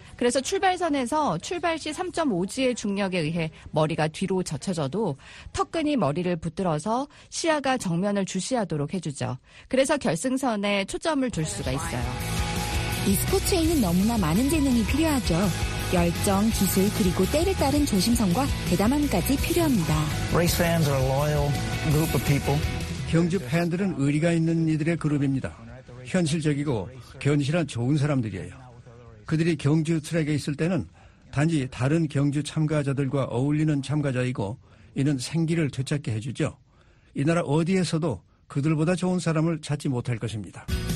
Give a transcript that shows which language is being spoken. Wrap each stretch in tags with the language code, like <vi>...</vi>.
<ko>그래서 출발선에서 출발 시 3.5G의 중력에 의해 머리가 뒤로 젖혀져도 턱끈이 머리를 붙들어서 시야가 정면을 주시하도록 해주죠. 그래서 결승선에 초점을 둘 수가 있어요. 이 스포츠에는 너무나 많은 재능이 필요하죠. 열정, 기술, 그리고 때를 따른 조심성과 대담함까지 필요합니다.</ko> <en>Race fans are a loyal group of people.</en> <ko>경주 팬들은 의리가 있는 이들의 그룹입니다. 현실적이고 견실한 좋은 사람들이에요. 그들이 경주 트랙에 있을 때는 단지 다른 경주 참가자들과 어울리는 참가자이고 이는 생기를 되찾게 해주죠. 이 나라 어디에서도 그들보다 좋은 사람을 찾지 못할 것입니다.</ko>